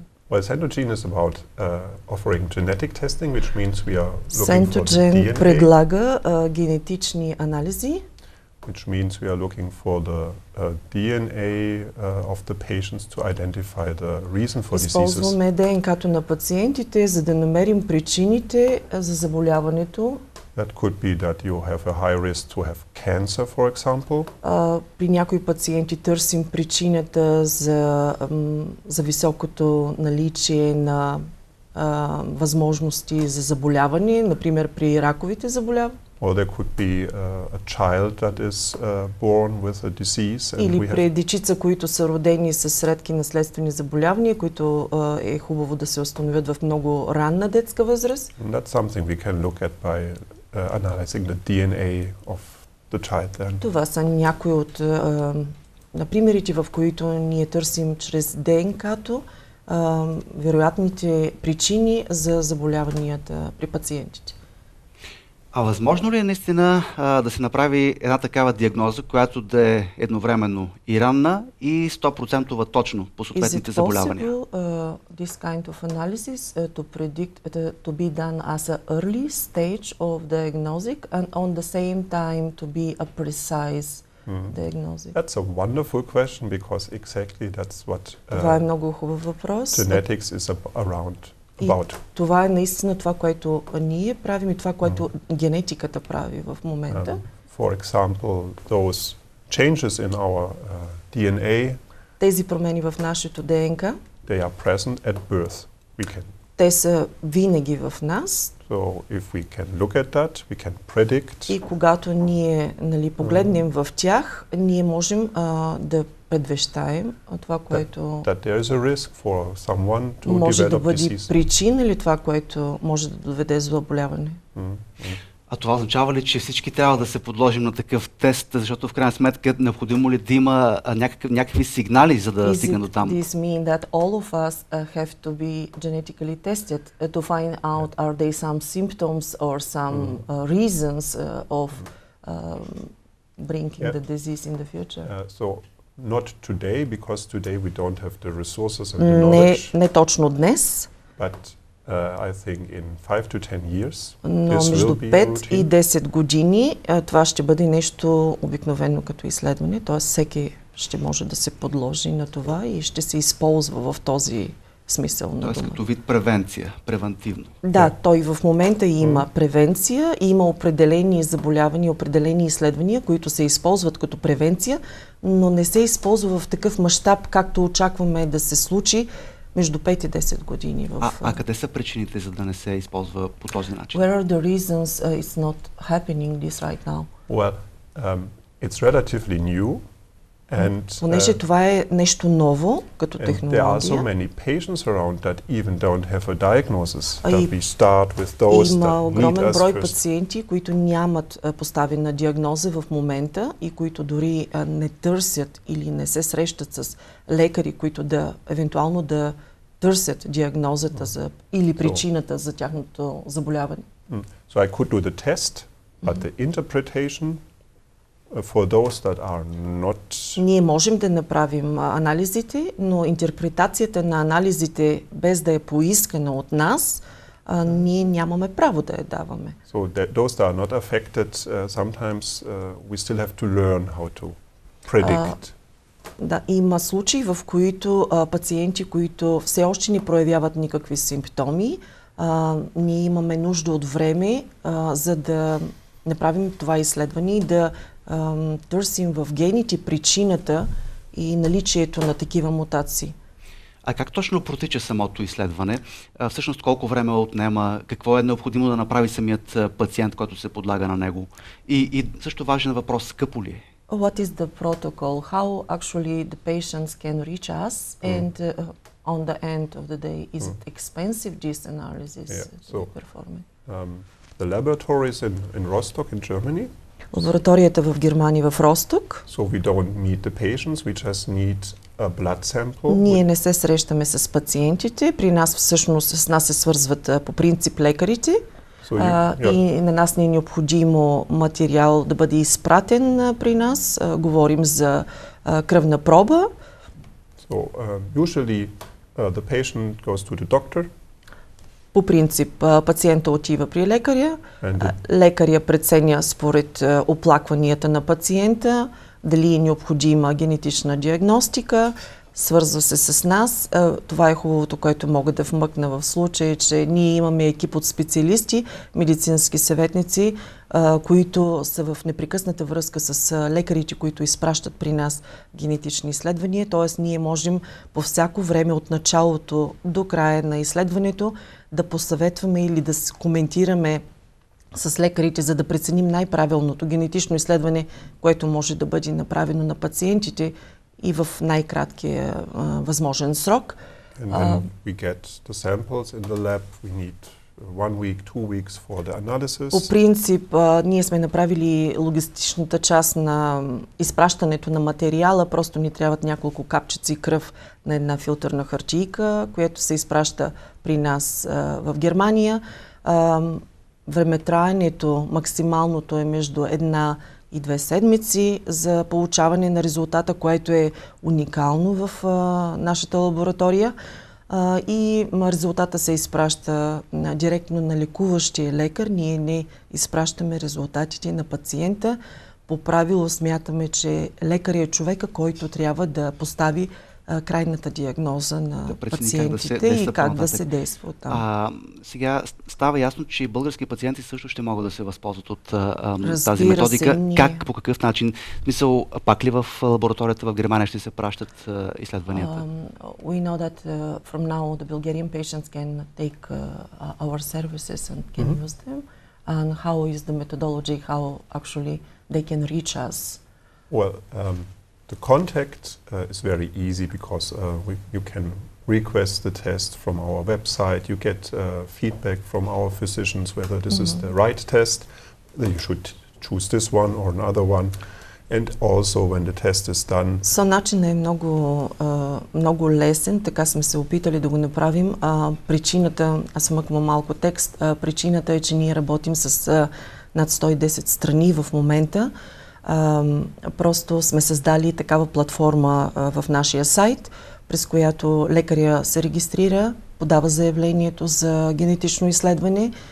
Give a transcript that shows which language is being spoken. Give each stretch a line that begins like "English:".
English: Well, Centogene is about offering genetic testing, which means we are looking Centogene for the DNA.
Bulgarian: Предлага генетични анализи.
English: Which means we are looking for the DNA of the patients to identify the reason for diseases.
Bulgarian: Използваме ДНК-то на пациентите, за да намерим причините за заболяването.
English: That could be that you have a high risk to have cancer, for example.
Bulgarian: При някои пациенти търсим причината за високото наличие на възможности за заболяване, например при раковите заболявания.
English: Or there could be a child that is born with a disease and
Bulgarian: Или при дечица, които са родени с редки наследствени заболявания, които е хубаво да се установят в много ранна детска възраст.
English: And that's something we can look at by analyzing the DNA of the child then.
Bulgarian: Това са някои от примерите, в които ние търсим чрез ДНК-то вероятните причини за заболяванията при пациентите. А възможно ли е наистина да се направи една такава диагноза, която да е едновременно и ранна и 100% точно по съответните заболявания?
English: Is it possible this kind of analysis to predict to be done as an early stage of diagnostic and on the same time to be a precise diagnosis? That's a wonderful question because exactly that's what
Bulgarian: Това е много хубав въпрос.
English: Genetics is around.
Bulgarian: И това е наистина това, което ние правим и това, което генетиката прави в момента.
English: For example, those changes in our DNA.
Bulgarian: Тези промени в нашето ДНК.
English: They are present at birth. We can.
Bulgarian: Те са винаги в нас.
English: So if we can look at that, we can predict.
Bulgarian: И когато ние, нали, погледнем в тях, ние можем да предвещаем това, което
English: that there is a risk for someone to
Bulgarian: може
English: develop
Bulgarian: да бъде
English: disease.
Bulgarian: Причина или това, което може да доведе до заболяване. А това означава ли, че всички трябва да се подложим на такъв тест, защото в крайна сметка е необходимо ли да има някакви сигнали, за да стигне до там?
English: This means that all of us have to be genetically tested to find out are there some symptoms or some reasons of bringing the disease in the future. Not today, because today we don't have the resources and
Bulgarian: не,
English: the knowledge.
Bulgarian: Не точно днес.
English: But I think in 5 to 10 years this will be routine.
Bulgarian: Но между 5 и 10 години това ще бъде нещо обикновено като изследване. Т.е. всеки ще може да се подложи на това и ще се използва в този смисъл на дума. Т.е. като вид превенция, превантивно. Да, той в момента има превенция, има определени заболявания, определени изследвания, които се използват като превенция, но не се използва в такъв мащаб, както очакваме да се случи между 5 и 10 години. А къде са причините, за да не се използва по този начин?
English: Where are the reasons it's not happening this right now? Well, it's relatively new.
Bulgarian: Понеже това е нещо ново като технология.
English: There are so many patients around that even don't have a diagnosis. That we start with those that
Bulgarian: има огромен брой
English: first.
Bulgarian: Пациенти, които нямат поставена диагноза в момента и които дори не търсят или не се срещат с лекари, които да евентуално да търсят диагнозата за или причината за тяхното заболяване.
English: So I could do the test, but the interpretation for those that are not.
Bulgarian: Ние можем да направим анализите, но интерпретацията на анализите без да е поискана от нас, ние нямаме право да я даваме.
English: So that those that are not affected, sometimes we still have to learn how to predict.
Bulgarian: Да, има случаи, в които пациенти, които все още не проявяват никакви симптоми, ние имаме нужда от време, за да направим това изследване и да търсим в гените причината и наличието на такива мутации. А как точно протича самото изследване? Всъщност колко време отнема? Какво е необходимо да направи самият пациент, който се подлага на него? И също важен въпрос, скъпо ли е?
English: What is the protocol? How actually the patients can reach us? And on the end of the day, is it expensive, this analysis to be performed? The laboratories in Rostock in Germany.
Bulgarian: Лабораторията в Германия, в Росток.
English: So we don't meet the patients, we just need a blood sample.
Bulgarian: Ние не се срещаме с пациентите, при нас всъщност с нас се свързват по принцип лекарите. И на нас не е необходимо материал да бъде изпратен при нас. Говорим за кръвна проба.
English: So, usually the patient goes to the doctor.
Bulgarian: По принцип пациента отива при лекаря. Лекаря преценя според оплакванията на пациента, дали е необходима генетична диагностика. Свързва се с нас. Това е хубавото, което мога да вмъкна в случая, че ние имаме екип от специалисти, медицински съветници, които са в непрекъсната връзка с лекарите, които изпращат при нас генетични изследвания. Т.е. ние можем по всяко време от началото до края на изследването да посъветваме или да коментираме с лекарите, за да преценим най-правилното генетично изследване, което може да бъде направено на пациентите и в най-краткия възможен срок.
English: And then we get the samples in the lab. We need one week, two weeks for the analysis.
Bulgarian: По принцип, ние сме направили логистичната част на изпращането на материала. Просто ни трябват няколко капчици кръв на една филтърна хартийка, която се изпраща при нас в Германия. Времетраенето максималното е между една и две седмици за получаване на резултата, което е уникално в нашата лаборатория. И резултата се изпраща директно на лекуващия лекар. Ние не изпращаме резултатите на пациента. По правило смятаме, че лекар е човека, който трябва да постави крайната диагноза на пациентите и как да се действа там. Сега става ясно, че български пациенти също ще могат да се възползват от тази методика. Как, по какъв начин? В смисъл, пак ли в лабораторията в Германия ще се пращат изследванията?
English: We know that from now the Bulgarian patients can take our services and can use them. And how is the methodology, how actually they can reach us? Well, the contact is very easy because you can request the test from our website. You get feedback from our physicians whether this is the right test, that you should choose this one or another one. And also when the test is done.
Bulgarian: So, начинът е много, много лесен, така сме се опитали да го направим. Причината, аз съмъквам малко текст, причината е, че ние работим с над 110 страни в момента. Просто сме създали такава платформа в нашия сайт, през която лекаря се регистрира, подава заявлението за генетично изследване.